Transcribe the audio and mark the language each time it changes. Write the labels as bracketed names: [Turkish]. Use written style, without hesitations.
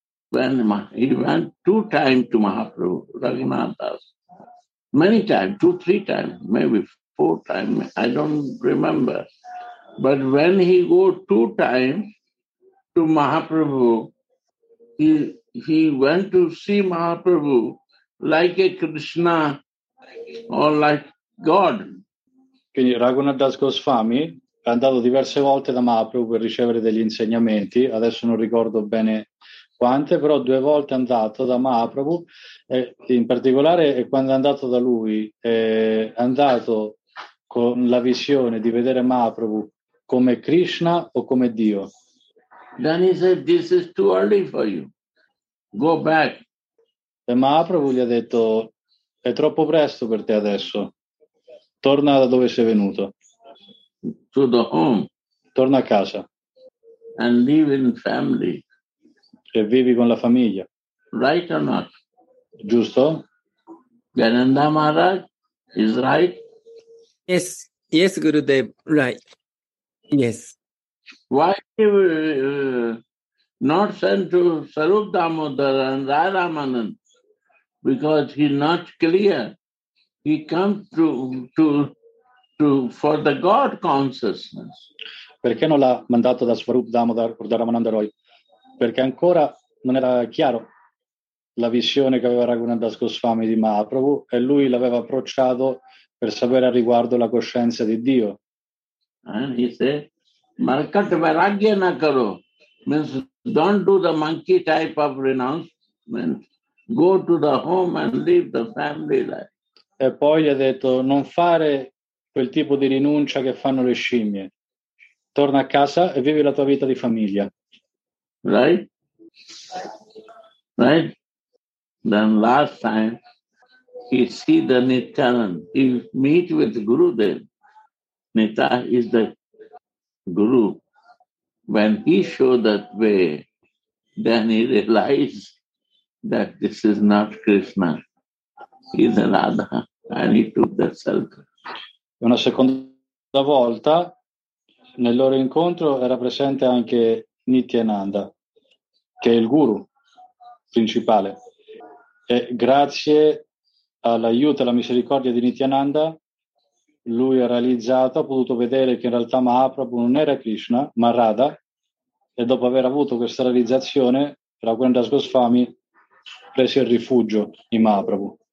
[English] When he went two times to Mahaprabhu, Raghunath Das, many times, two, three times, maybe four times, I don't remember. But when he go two times to Mahaprabhu, he went to see Mahaprabhu like a Krishna or like God. [Italian] Quindi Raghunath Das Goswami è andato diverse volte da Mahaprabhu per ricevere degli insegnamenti, adesso non ricordo bene quante, però due volte è andato da Mahaprabhu, in particolare quando è andato da lui è andato con la visione di vedere Mahaprabhu come Krishna o come Dio. [English] Then he said, this is too early for you. Go back. [Italian] E Mahaprabhu gli ha detto, è troppo presto per te adesso. Torna da dove sei venuto. [English] To the home. [Italian] Torna a casa. [English] And live in family. [Italian] E vivi con la famiglia. [English] Right or not? [Italian] Giusto? [English] Gananda Maharaj is right? Yes. Yes, Gurudev, right. Yes. Why not sent to Sarup Damodar and Radharamanand? Because he not clear. He come to for the God consciousness. [Italian] Perché non l'ha mandato da Swarup Damodar o Radharamanand Roy? Perché ancora non era chiaro la visione che aveva Raghunath Das Goswami di Mahaprabhu e lui l'aveva approcciato per sapere a riguardo la coscienza di Dio. [English] And he said, [Bangla] Markat Vairagya na karo, [English] means don't do the monkey type of renouncement, go to the home and leave the family life. [Italian] E poi gli ha detto, non fare quel tipo di rinuncia che fanno le scimmie, torna a casa e vivi la tua vita di famiglia. [English] Right? Right? Then last time, he see the Nityanand, he meet with Gurudev. Nitya is the guru. When he show that way, then he realize that this is not Krishna. He is Radha, and he took the shelter. [Italian] Una seconda volta, nel loro incontro, era presente anche Nityananda, che è il guru principale. E grazie all'aiuto e alla misericordia di Nityananda, lui ha realizzato, ha potuto vedere che in realtà Mahaprabhu non era Krishna, ma Radha, e dopo aver avuto questa realizzazione, Raghunath Das Goswami prese il rifugio in Mahaprabhu.